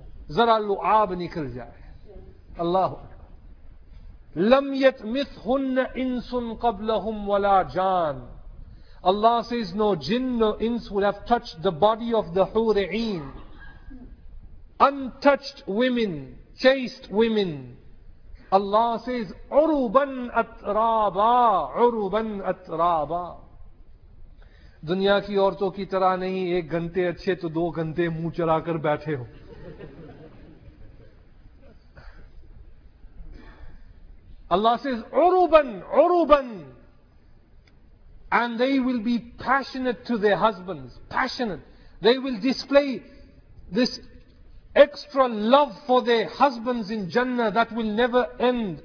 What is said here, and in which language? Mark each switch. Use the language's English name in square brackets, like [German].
[Urdu] Zara lu'ab nikal jaye. [Arabic] Allahu Akbar. Lam yatmithunna insun qablahum wala jan. [English] Allah says no jinn, no ins would have touched the body of the hur'een. Untouched women, chaste women. [Arabic] Allah says, عُرُبًا أَتْرَابًا عُرُبًا أَتْرَابًا. [Urdu] دنیا کی عورتوں کی طرح نہیں, ایک گھنٹے اچھے تو دو گھنٹے منہ چرا کر بیٹھے ہو. [English] Allah says, [Arabic] عُرُبًا عُرُبًا. [English] And they will be passionate to their husbands. Passionate. They will display this extra love for their husbands in Jannah that will never end.